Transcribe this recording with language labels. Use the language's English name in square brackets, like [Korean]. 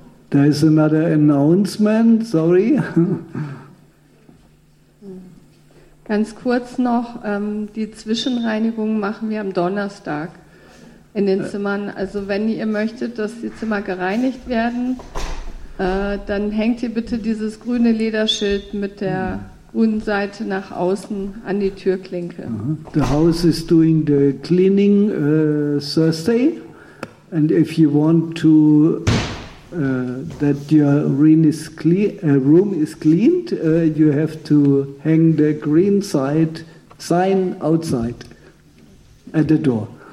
[English] There is another announcement, sorry. [German] Ganz kurz noch, die Zwischenreinigung machen wir am Donnerstag in den Zimmern. Also wenn ihr möchtet, dass die Zimmer gereinigt werden, dann hängt ihr bitte dieses grüne Lederschild mit der grünen Seite nach außen an die Türklinke. [English] The house is doing the cleaning Thursday. And if you want to that your room is cleaned, you have to hang the green side sign outside at the door.